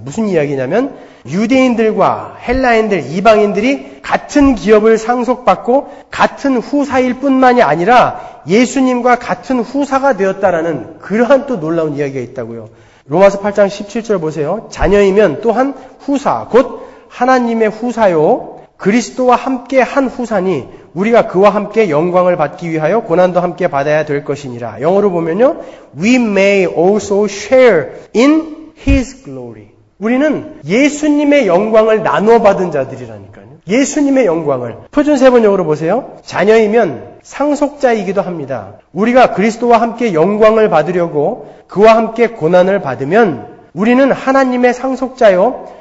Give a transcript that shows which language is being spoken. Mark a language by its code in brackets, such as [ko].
[ko] 무슨 이야기냐면 유대인들과 헬라인들, 이방인들이 같은 기업을 상속받고 같은 후사일 뿐만이 아니라 예수님과 같은 후사가 되었다라는 그러한 또 놀라운 이야기가 있다고요. 로마서 8장 17절 보세요. 자녀이면 또한 후사, 곧 하나님의 후사요. 그리스도와 함께 한 후사니 우리가 그와 함께 영광을 받기 위하여 고난도 함께 받아야 될 것이니라. 영어로 보면요. [en] We may also share in his glory. [ko] 우리는 예수님의 영광을 나누어 받은 자들이라니까요. 예수님의 영광을. 표준 세번역으로 보세요. 자녀이면 상속자이기도 합니다. 우리가 그리스도와 함께 영광을 받으려고 그와 함께 고난을 받으면 우리는 하나님의 상속자요.